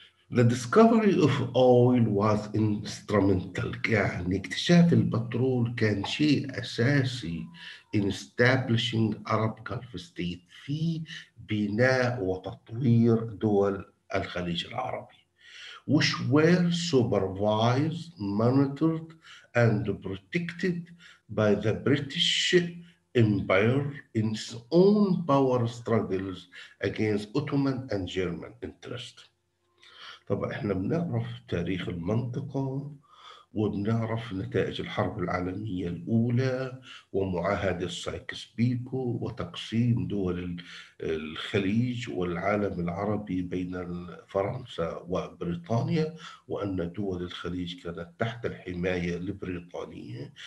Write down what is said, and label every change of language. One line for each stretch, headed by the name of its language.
English: The discovery of oil was instrumental،
Arabic: يعني اكتشاف البترول كان شيء أساسي
English: in establishing Arab Gulf State،
Arabic: في بناء وتطوير دول الخليج العربي.
English: Which were supervised, monitored, and protected by the British Empire in its own power struggles against Ottoman and German interest.
Arabic: طبعا احنا بنعرف تاريخ المنطقة، وبنعرف نتائج الحرب العالمية الأولى، ومعاهدة سايكس بيكو، وتقسيم دول الخليج والعالم العربي بين فرنسا وبريطانيا، وأن دول الخليج كانت تحت الحماية البريطانية.